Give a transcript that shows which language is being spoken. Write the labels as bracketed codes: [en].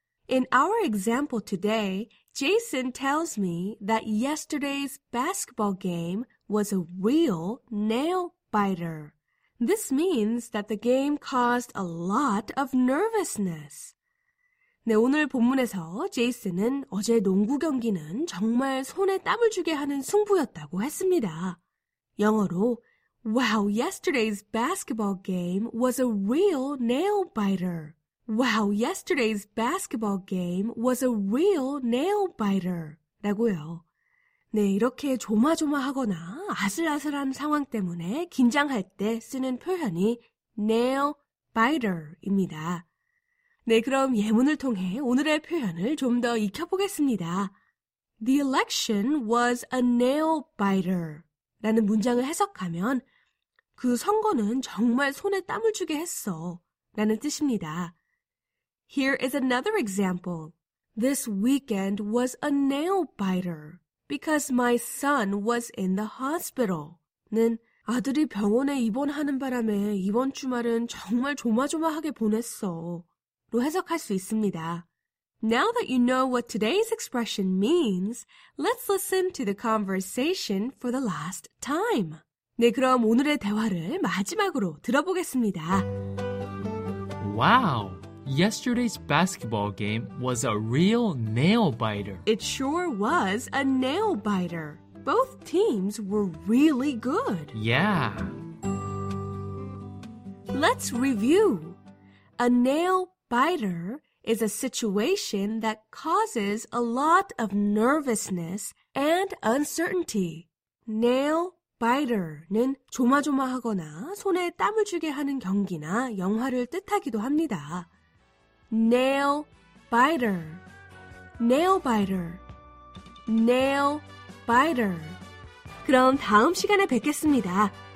[en] In our example today, Jason tells me that yesterday's basketball game was a real nail biter. This means that the game caused a lot of nervousness. [ko] 네, 오늘 본문에서 제이슨은 어제 농구 경기는 정말 손에 땀을 주게 하는 승부였다고 했습니다. 영어로 [en] Wow, yesterday's basketball game was a real nail biter. Wow, yesterday's basketball game was a real nail biter. [ko] 라고요. 네, 이렇게 조마조마하거나 아슬아슬한 상황 때문에 긴장할 때 쓰는 표현이 nail biter입니다. 네, 그럼 예문을 통해 오늘의 표현을 좀 더 익혀보겠습니다. [en] The election was a nail biter [ko] 라는 문장을 해석하면 그 선거는 정말 손에 땀을 주게 했어 라는 뜻입니다. [en] Here is another example. This weekend was a nail biter because my son was in the hospital 는 [ko] 아들이 병원에 입원하는 바람에 이번 주말은 정말 조마조마하게 보냈어 로 해석할 수 있습니다. [en] Now that you know what today's expression means, let's listen to the conversation for the last time. [ko] 네, 그럼 오늘의 대화를 마지막으로 들어보겠습니다. [en] Wow! Yesterday's basketball game was a real nail-biter. It sure was a nail-biter. Both teams were really good. Yeah. Let's review. A nail-biter is a situation that causes a lot of nervousness and uncertainty. Nail-biter는 [ko] 조마조마하거나 손에 땀을 주게 하는 경기나 영화를 뜻하기도 합니다. [en] Nail biter, nail biter, nail biter. [ko] 그럼 다음 시간에 뵙겠습니다.